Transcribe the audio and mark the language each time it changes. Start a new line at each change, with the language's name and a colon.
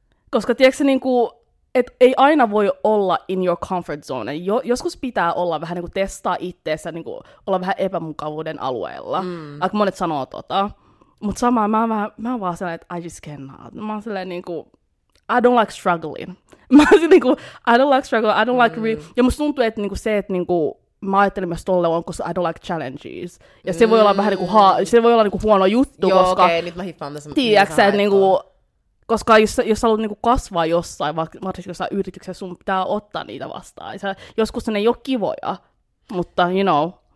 Finnish: Koska tiedätkö, niinku, et ei aina voi olla
English: in your comfort zone.
Finnish: Joskus pitää olla vähän niinku testaa itteessä, niinku, olla vähän epämukavuuden alueella. Mm. Aika monet sanoo tota. Mut samaan mä oon vaan sellainen, että
English: I just cannot.
Finnish: Mä oon sellainen niinku...
English: I don't like struggling.
Finnish: Mä olisin niinku,
English: I don't like struggling, I don't like...
Finnish: Ja musta tuntuu, että niinku se, että niinku, mä ajattelin myös tolle on, koska
English: I don't like challenges.
Finnish: Ja se voi olla vähän niinku, se voi olla niinku huono juttu, joo, koska... Joo, okei, nyt mä hiffaan tässä. Tiiäksä, että niinku... Koska jos haluat niinku kasvaa jossain, vaikka jossain yrityksessä, sun pitää ottaa niitä vastaan. Sä, joskus se ei ole kivoja, mutta
English: you know.